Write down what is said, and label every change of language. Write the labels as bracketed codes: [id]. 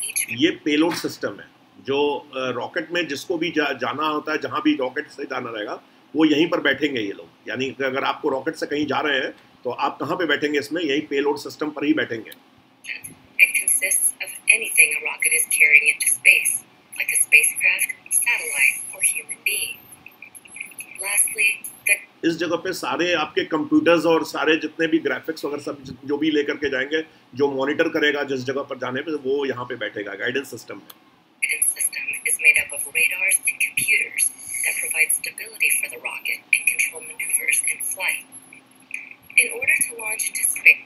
[hi] ये payload system है जो रॉकेट में जिसको भी जाना होता है, जहां भी रॉकेट से जाना रहेगा वो यहीं पर बैठेंगे ये लोग, यानी अगर आपको रॉकेट से कहीं जा रहे हैं तो आप कहां पे बैठेंगे इसमें, यही पेलोड सिस्टम पर ही बैठेंगे। [en] Anything a rocket is carrying into space, like a spacecraft, satellite, or human being. Lastly, the [hi] इस जगह पे सारे आपके कंप्यूटर्स और सारे जितने भी ग्राफिक्स वगैरह सब जो भी लेकर के जाएंगे, जो मॉनिटर करेगा जिस जगह पर जाने पे, वो यहाँ पे बैठेगा गाइडेंस सिस्टम में। [en] Guidance system is made up of radars and computers that provide stability for the rocket and control maneuvers and flight. In order to launch into space,